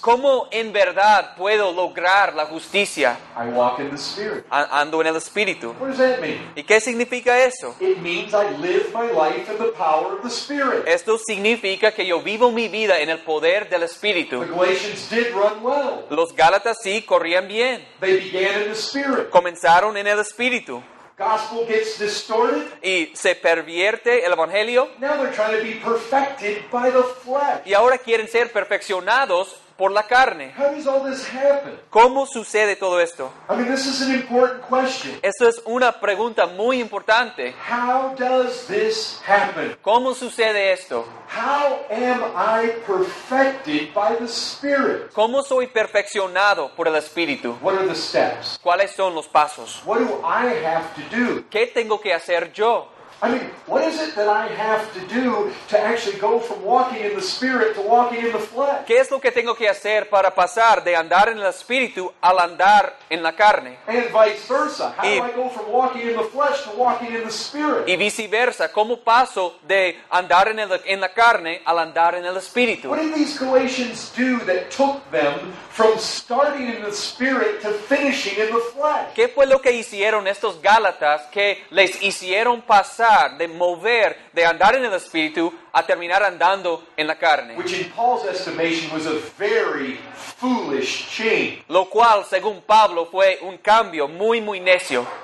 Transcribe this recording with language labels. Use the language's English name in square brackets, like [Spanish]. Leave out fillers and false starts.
[Spanish] ¿Cómo en verdad puedo lograr la justicia? [English] I walk in the Spirit. [Spanish] Ando en el Espíritu. [English] What does that mean? [Spanish] ¿Y qué significa eso? [English] It means I live my life in the power of the Spirit. [Spanish] Esto significa que yo vivo mi vida en el poder del Espíritu. [English] The Galatians did run well. [Spanish] Los Gálatas sí corrían bien. [English] They began in the Spirit. [Spanish] Comenzaron en el Espíritu. [English] Gospel gets distorted. [Spanish] Y se pervierte el evangelio. [English] Now they're trying to be perfected by the flesh. [Spanish] Y ahora quieren ser perfeccionados por la carne. [English] How does all this happen? [Spanish] ¿Cómo sucede todo esto? [English] I mean, this is an important question. [Spanish] Esto es una pregunta muy importante. [English] How does this happen? [Spanish] ¿Cómo sucede esto? [English] How am I perfected by the Spirit? [Spanish] ¿Cómo soy perfeccionado por el Espíritu? [English] What are the steps? [Spanish] ¿Cuáles son los pasos? [English] What do I have to do? [Spanish] ¿Qué tengo que hacer yo? [English] I mean, what is it that I have to do to actually go from walking in the Spirit to walking in the flesh? [Spanish] ¿Qué es lo que tengo que hacer para pasar de andar en el Espíritu al andar en la carne? [English] And vice versa. How do I go from walking in the flesh to walking in the Spirit? [Spanish] Y viceversa. ¿Cómo paso de andar en la carne al andar en el Espíritu? [English] What did these Galatians do that took them from starting in the Spirit to finishing in the flesh? [Spanish] ¿Qué fue lo que hicieron estos Gálatas que les hicieron pasar de mover, de andar en el Espíritu a terminar andando en la carne? [English] Which in Paul's estimation was a very foolish change. [Spanish] Lo cual, según Pablo, fue un cambio muy, muy necio.